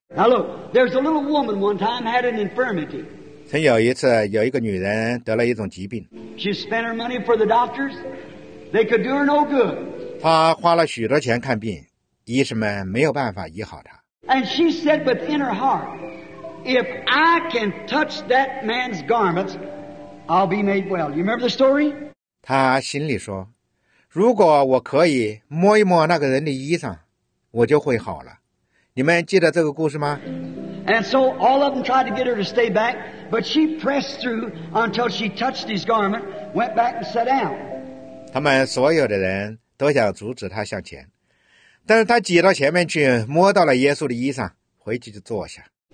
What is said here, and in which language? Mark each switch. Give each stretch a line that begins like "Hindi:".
English: Now look, there's a little woman one time had an infirmity.
Chinese: 曾有一次有一个女人得了一种疾病。
English: She spent her money for the doctors. They could do her no good.
Chinese: 她花了许多钱看病，医生们没有办法医好她。
English: And she said within her heart, if I can touch that man's garments, I'll be made well. You remember the story?
Chinese: 她心里说，如果我可以摸一摸那个人的衣裳，我就会好了。你们记得这个故事吗？
English: And so all of them tried to get her to stay back, but she pressed through until she touched his garment, went back and sat down.
Chinese: 他们所有的人都想阻止他向前，但是他挤到前面去，摸到了耶稣的衣裳，回去就坐下。